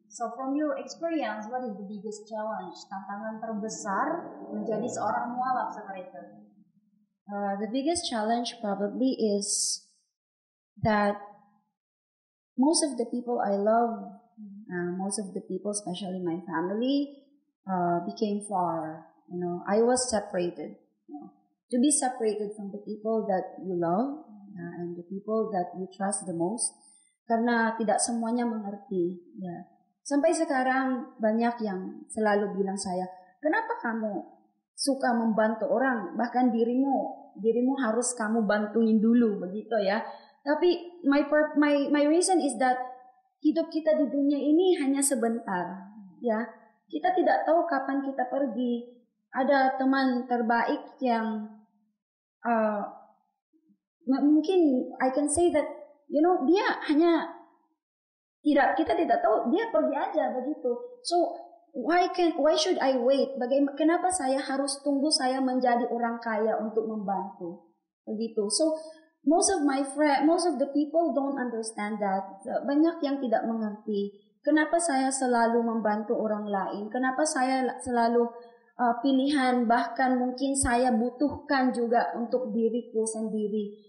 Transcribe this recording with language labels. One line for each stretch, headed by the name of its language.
English: So from your experience, what is the biggest challenge?
Indonesian: Tantangan terbesar menjadi seorang mualaf seperti itu?
English: The biggest challenge probably is that most of the people I love, most of the people, especially my family, became far. You know, I was separated. You know, to be separated from the people that you love, and the people that you trust the most,
Indonesian: karena tidak semuanya mengerti. Ya, sampai sekarang banyak yang selalu bilang saya, kenapa kamu suka membantu orang, bahkan dirimu harus kamu bantuin dulu, begitu ya. Tapi
English: my reason is that
Indonesian: hidup kita di dunia ini hanya sebentar, ya. Kita tidak tahu kapan kita pergi. Ada teman terbaik yang mungkin
English: I can say that, you know,
Indonesian: dia hanya tidak, kita tidak tahu dia pergi aja begitu.
English: So why should I wait?
Indonesian: Kenapa saya harus tunggu saya menjadi orang kaya untuk membantu begitu?
English: So most of the people don't understand that.
Indonesian: Banyak yang tidak mengerti kenapa saya selalu membantu orang lain. Kenapa saya selalu pilihan, bahkan mungkin saya butuhkan juga untuk diriku sendiri.